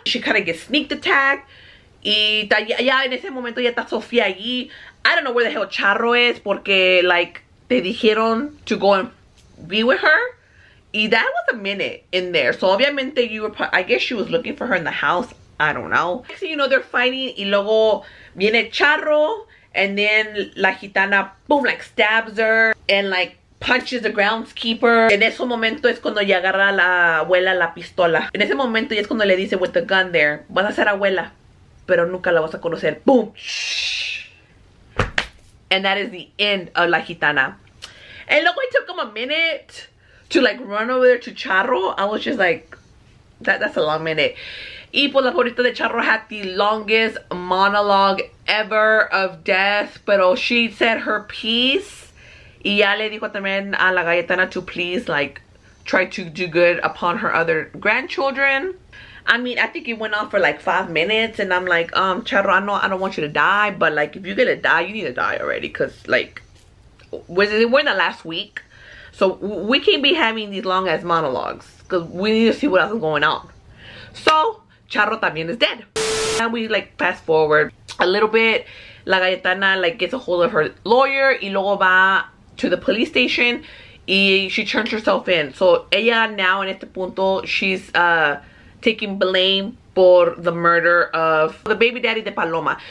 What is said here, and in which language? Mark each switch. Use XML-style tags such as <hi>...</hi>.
<en>She kind of gets sneaked attack,</en> <es>y ya en ese momento ya está Sofía allí.</es> <en>I don't know where the hell Charro is, porque, like,</en> <es>te dijeron</es> <en>to go and be with her. Y that was a minute in there. So, obviamente, you were, I guess she was looking for her in the house. I don't know. Next thing you know, they're fighting,</en> <es>y luego viene Charro.</es> <en>And then la gitana, boom, like stabs her and like punches the groundskeeper.</en> <es>En ese momento es cuando ya agarra a la abuela la pistola. En ese momento ya es cuando le dice</es> <en>with the gun there,</en> <es>vas a ser abuela, pero nunca la vas a conocer. Boom.</es> <en>And that is the end of la gitana. And luego it took him a minute to like run over there to Charro. I was just like, that's a long minute.</en> <es>Y pues la pobrecita de</es> <en>Charro had the longest monologue ever of death. Pero she said her piece.</en> <es>Y ya le dijo también a la Galletana</es> <en>to please, like, try to do good upon her other grandchildren. I mean, I think it went on for like 5 minutes. And I'm like, Charro, I know I don't want you to die. But, like, if you're gonna die, you need to die already. Because, like, we're in the last week. So we can't be having these long ass monologues. Because we need to see what else is going on. So Charro también is dead. And we like fast forward a little bit. La Galletana like gets a hold of her lawyer</en> <es>y luego va</es> <en>to the police station y she turns herself in. So ella now</en> <es>en este punto,</es> <en>she's taking blame for the murder of the baby daddy</en> <es>de Paloma.</es>